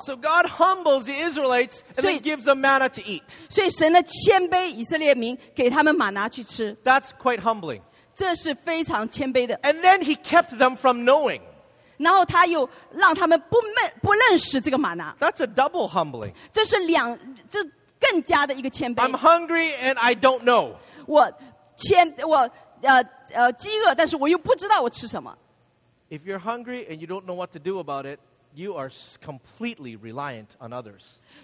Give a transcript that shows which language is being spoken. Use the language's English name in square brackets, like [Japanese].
[English] So God humbles the Israelites and then gives them manna to eat. [Chinese] 所以神的谦卑以色列民给他们玛拿去吃。 [English] That's quite humbling. [Chinese] 这是非常谦卑的。 [English] And then he kept them from knowing. [Chinese] 然后他又让他们不认识这个玛拿。 [English] That's a double humbling. [Chinese] 这更加的一个谦卑。 [English] I'm hungry and I don't know. [Chinese] 我饥饿，但是我又不知道我吃什么。 [English] If you're hungry and you don't know what to do about it, you are completely reliant on others.